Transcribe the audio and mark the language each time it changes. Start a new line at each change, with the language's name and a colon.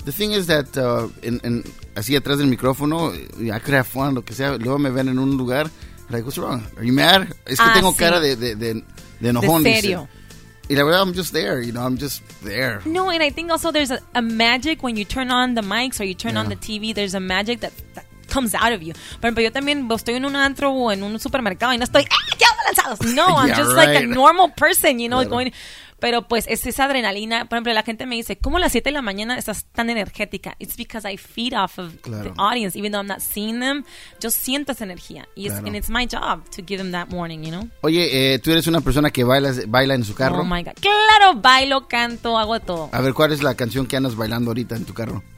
English: The thing is that
Spanish: así atrás del micrófono, y
English: I could have fun,
Spanish: lo que sea. Luego me ven en un lugar,
English: like, what's wrong? Are you mad?
Spanish: Es que tengo cara de enojón. De serio. Y la verdad,
English: I'm just there, you know, I'm just there. No, and I think also there's a magic when you turn on the mics or you turn on the TV, there's a magic that comes out of you.
Spanish: Por ejemplo, yo también estoy en un antro o en un supermercado y no estoy, ¡eh, ya lanzados!
English: No, I'm just like a normal person, you know, going...
Spanish: Pero pues es esa adrenalina. Por ejemplo, la gente me dice, ¿cómo a las 7 de la mañana estás tan energética?
English: It's because I feed off of the audience. Even though I'm not seeing them,
Spanish: yo siento esa energía.
English: And it's my job to give them that morning, you know?
Spanish: Oye, ¿tú eres una persona que baila en su carro?
English: Oh, my God.
Spanish: ¡Claro! Bailo, canto, hago todo. A ver, ¿cuál es la canción que andas bailando ahorita en tu carro?